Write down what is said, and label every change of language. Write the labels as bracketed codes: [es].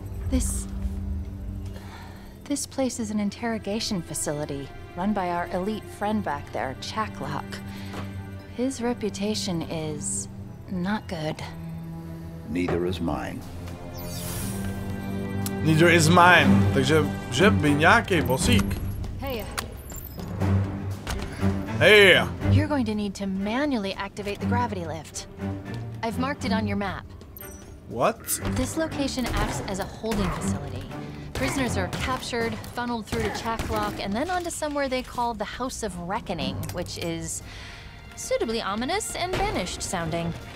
[en] This place is an interrogation facility run by our elite friend back there, Chacklock. His reputation is not good. Neither is mine. Neither is mine. [cs] Takže že by nějaký bosík. [en] Hey. Hey. You're going to need to manually activate the gravity lift. I've marked it on your map. What? This location acts as a holding facility. Prisoners are captured, funneled through to Chaklok, and then onto somewhere they call the House of Reckoning, which is suitably ominous and banished sounding.